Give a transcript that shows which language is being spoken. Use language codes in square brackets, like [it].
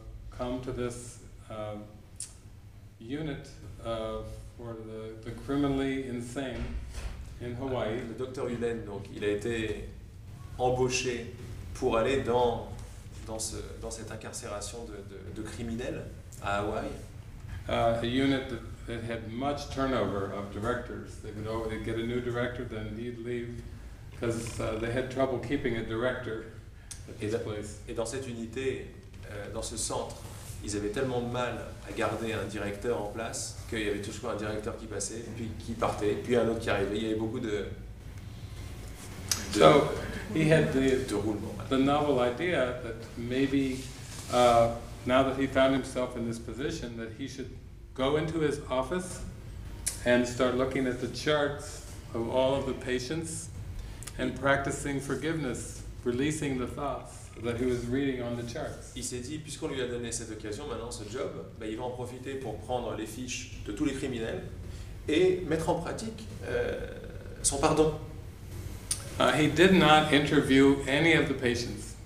[en] come to this unit for the criminally insane in Hawaii. [fr] Le docteur Ulen, donc, il a été embauché pour aller dans cette incarcération de criminels à Hawaï. [en] A unit that had much turnover of directors. They would always get a new director, then he'd leave, because they had trouble keeping a director at this place. [fr] Et dans cette unité, dans ce centre, ils avaient tellement de mal à garder un directeur en place qu'il y avait toujours un directeur qui passait, puis qui partait, puis un autre qui arrivait. Il y avait beaucoup de roulement. [en] The novel idea that maybe now that he found himself in this position, that he should go into his office and start looking at the charts of all of the patients and practicing forgiveness, releasing the thoughts that he was reading on the charts. [fr] Il s'est dit, puisqu'on lui a donné cette occasion, maintenant ce job, il va en profiter pour prendre les fiches de tous les criminels et mettre en pratique son pardon. [en] He did not interview any of the patients.